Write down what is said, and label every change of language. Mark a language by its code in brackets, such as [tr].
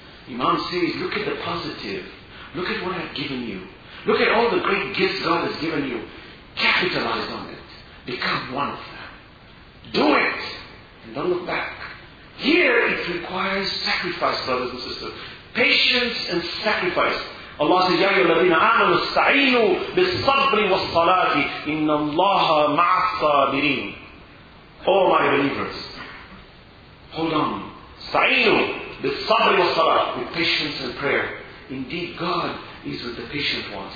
[en] Imam says, look at the positive. Look at what I've given you. Look at all the great gifts God has given you. Capitalize on it. Become one of them. Do it. And don't look back. Here it requires sacrifice, brothers and sisters. Patience and sacrifice. Allah says, [ar] يَا الَّذِينَ آمَنُوا اسْتَعِينُوا بِالصَّبْرِ وَالصَّلَاةِ إِنَّ اللَّهَ مَعَ الصَّابِرِينَ. [en] All my believers, hold on. [ar] استعينوا بالصبر والصلاة. [en] With patience and prayer. Indeed, God is with the patient ones.